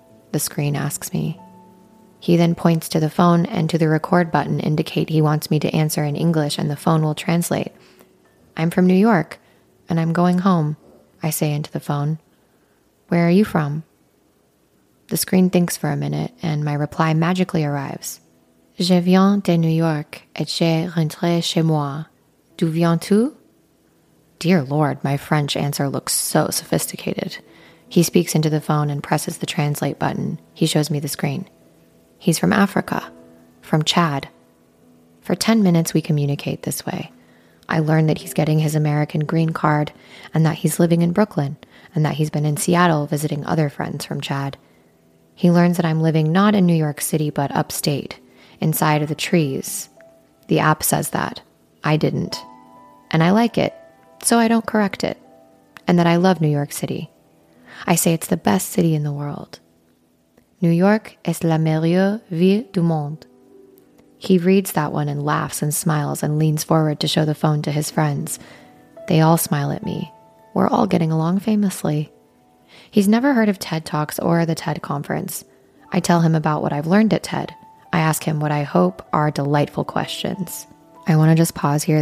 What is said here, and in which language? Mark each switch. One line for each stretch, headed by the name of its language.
English: The screen asks me. He then points to the phone and to the record button indicate he wants me to answer in English and the phone will translate. I'm from New York and I'm going home, I say into the phone. Where are you from? The screen thinks for a minute and my reply magically arrives.
French: Je viens de New York et je rentre chez moi. D'où viens-tu?
English: Dear Lord, my French answer looks so sophisticated. He speaks into the phone and presses the translate button. He shows me the screen. He's from Africa, from Chad. For 10 minutes, we communicate this way. I learn that he's getting his American green card and that he's living in Brooklyn and that he's been in Seattle visiting other friends from Chad. He learns that I'm living not in New York City, but upstate, inside of the trees. The app says that. I didn't. And I like it, so I don't correct it. And that I love New York City. I say it's the best city in the world.
French: New York est la meilleure ville du monde.
English: He reads that one and laughs and smiles and leans forward to show the phone to his friends. They all smile at me. We're all getting along famously. He's never heard of TED Talks or the TED Conference. I tell him about what I've learned at TED. I ask him what I hope are delightful questions. I want to just pause here.